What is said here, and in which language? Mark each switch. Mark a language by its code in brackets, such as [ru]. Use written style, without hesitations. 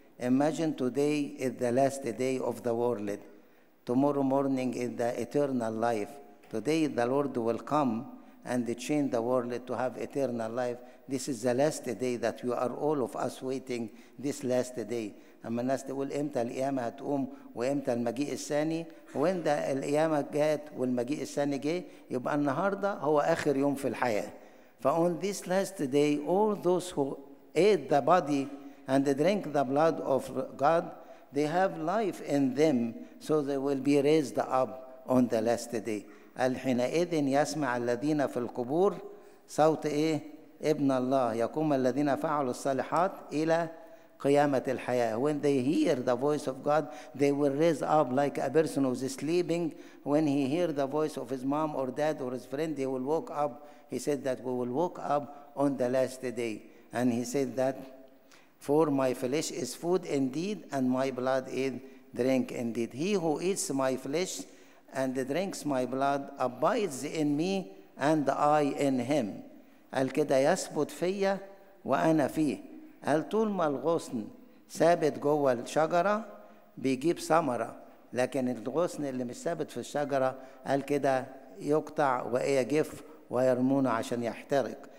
[en] Imagine today is the last day of the world. Tomorrow morning is the eternal life. Today the Lord will come and change the world to have eternal life. This is the last day that we are all of us waiting, this last day. [ar] أما الناس تقول إمتى القيامة هتقوم وإمتى المجيء الثاني؟ وين ده القيامة جات والمجيء الثاني جه؟ يبقى النهاردة هو آخر يوم في الحياة. [en] فon this last day, all those who ate the body and drank the blood of God, they have life in them, so they will be raised up on the last day. [ar] الحينئذ يسمع الذين في القبور صوت إيه؟ ابن الله يقوم الذين فعلوا الصالحات إلى قيامة الحياة. [en] When they hear the voice of God, they will raise up like a person who is sleeping. When he hear the voice of his mom or dad or his friend, they will wake up. He said that we will wake up on the last day. And he said that, for my flesh is food indeed, and my blood is drink indeed. He who eats my flesh and drinks my blood abides in me, and I in him. [ar] قال كده يثبت فيا وأنا فيه. قال طول ما الغصن ثابت جوه الشجرة بيجيب ثمرة، لكن الغصن اللي مش ثابت في الشجرة قال كده يقطع ويجف ويرمونه عشان يحترق.